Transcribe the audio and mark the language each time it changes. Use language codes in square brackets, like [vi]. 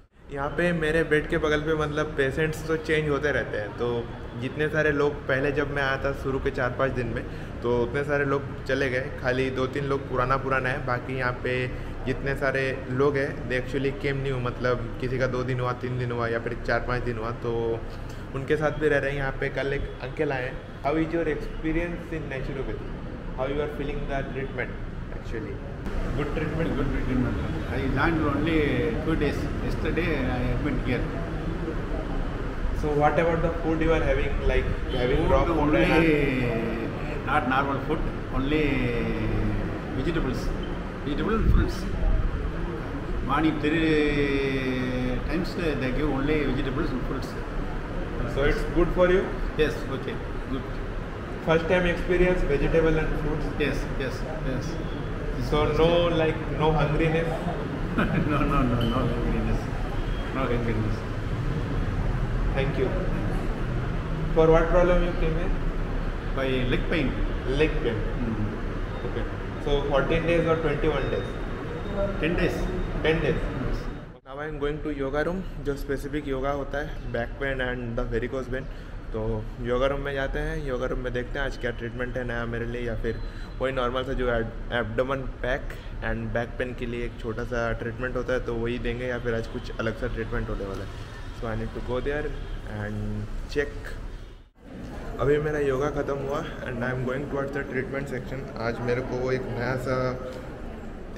[hi] यहाँ पे मेरे बेड के बगल पे मतलब पेशेंट्स तो चेंज होते रहते हैं, तो जितने सारे लोग पहले जब मैं आया था शुरू के 4-5 दिन में तो उतने सारे लोग चले गए, खाली 2-3 लोग पुराना है, बाकी यहाँ पे जितने सारे लोग हैं [en] they actually came new, [hi] मतलब किसी का 2 दिन हुआ, 3 दिन हुआ या फिर 4-5 दिन हुआ, तो उनके साथ भी रह रहे हैं। यहाँ पे कल एक अंकल आए, [en] How is your experience in naturopathy, how you are feeling the treatment actually? Good treatment, good treatment. I learned only 2 days. Yesterday I went here. So what about the food you are having? Like having food, raw food? Only not normal food, only vegetables. Vegetables and fruits. Morning 3 times they give only vegetables and fruits. So it's good for you? Yes, okay, good. First time experience vegetable and fruits? Yes, yes, yes. So no, like no hungriness? no hungriness. Thank you. For what problem you came here? By leg pain. Leg pain. Mm-hmm. Okay. So 14 days or 21 days? 10 days. 10 days. Yes. Now I am going to yoga room, [hi] जो [en] specific yoga होता है back pain and the varicose vein. [hi] तो yoga room में जाते हैं, yoga room में देखते हैं आज क्या ट्रीटमेंट है नया मेरे लिए, या फिर वही नॉर्मल सा जो abdomen pack and back pain के लिए एक छोटा सा ट्रीटमेंट होता है तो वही देंगे, या फिर आज कुछ अलग सा ट्रीटमेंट होने वाला है। [en] So I need to go there and check. [hi] अभी मेरा योगा ख़त्म हुआ [en] And I am going towards the treatment section. [hi] आज मेरे को एक नया सा